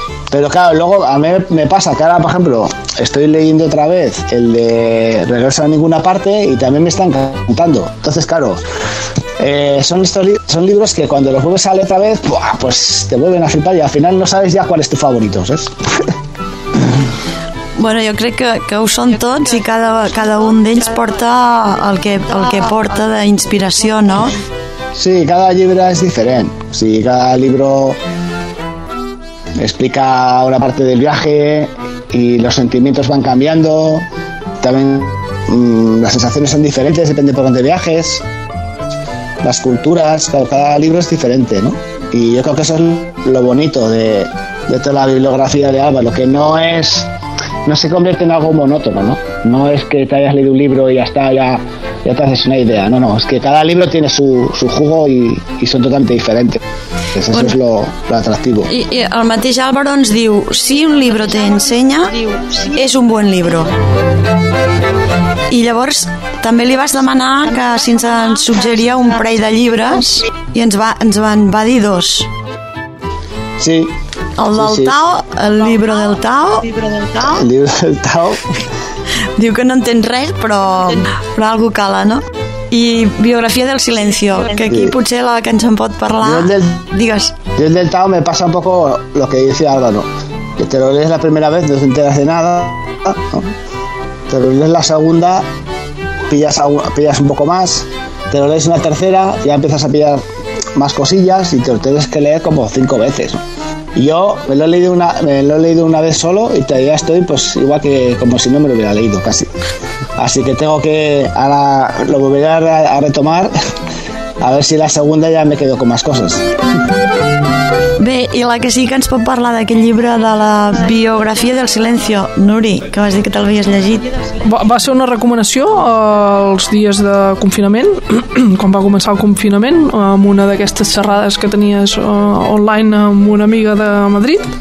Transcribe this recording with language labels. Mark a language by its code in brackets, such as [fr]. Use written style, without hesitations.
[es] Pero claro, luego a mí me pasa que ahora, por ejemplo, estoy leyendo otra vez el de Regreso a ninguna parte y también me está encantando. Entonces, claro, son libros que cuando los vuelves a leer otra vez, pues te vuelven a flipar y al final no sabes ya cuál es tu favorito, ¿sabes? [ca] Bueno, jo crec que ho són tots i cada un d'ells porta el que porta d'inspiració, no? Sí, cada llibre és diferent. O sigui, cada llibre explica [es] una parte del viaje y los sentimientos van cambiando. También las sensaciones son diferentes, depende por dónde viajes. Las culturas, cada libro es diferente, ¿no? Y yo creo que eso es lo bonito de toda la bibliografía de Álvaro, que no es... No se convierte en algo monótono, ¿no? No es que te hayas leído un libro y ya está, ya te haces una idea. No, no, es que cada libro tiene su jugo y son totalmente diferentes. Pues eso bueno, es lo atractivo. [ca] Y el mateix Álvaro ens diu, [es] si un libro te enseña, es un buen libro. [ca] I llavors també li vas demanar que si ens suggeria un parell de llibres i ens va dir dos. Sí. El del sí, sí. Tao, el llibre del Tao. El llibre del Tao. Diu que no entens res, però algo cala, no? I Biografia del Silencio, que aquí sí. Potser la que ens en pot parlar. Digues. [es] Yo el del Tao me pasa un poco lo que dice Álvaro. Que te lo lees la primera vez, no te enteras de nada. ¿No? Te lo lees la segunda, pillas un poco más. Te lo lees una tercera, ya empiezas a pillar más cosillas y te lo tienes que leer como cinco veces, ¿no? Yo me lo he leído una vez solo y todavía estoy pues igual que como si no me lo hubiera leído casi. Así que tengo que ahora lo volveré a retomar a ver si la segunda ya me quedo con más cosas. [ca] Bé, i la que sí que ens pot parlar d'aquest llibre de la Biografia del Silencio, Nuri, que vas dir que te l'havies llegit. Va ser una recomanació els dies de confinament, quan va començar el confinament, amb una d'aquestes xerrades que tenies online amb una amiga de Madrid.